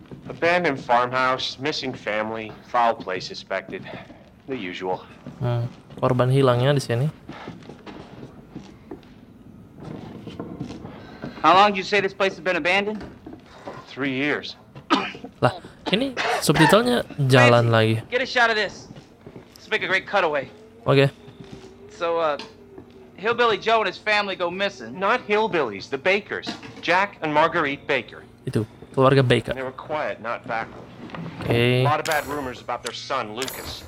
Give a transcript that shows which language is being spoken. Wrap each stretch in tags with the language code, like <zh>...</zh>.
<en>Abandoned farmhouse, missing family, foul play suspected. The usual.</en> <id>Korban hilangnya di sini.</id> <en>How long do you say this place has been abandoned? 3 years.</en> <id>Lah, ini subtitlenya jalan lagi.</id> <en>Get a shot of this. Let's make a great cutaway. Okay. So, Hillbilly Joe and his family go missing. Not hillbillies, the Bakers. Jack and Marguerite Baker.</en> <id>Itu. Keluarga Baker.</id> <en>They were quiet, not backward. A lot of bad rumors about their son, Lucas.</en>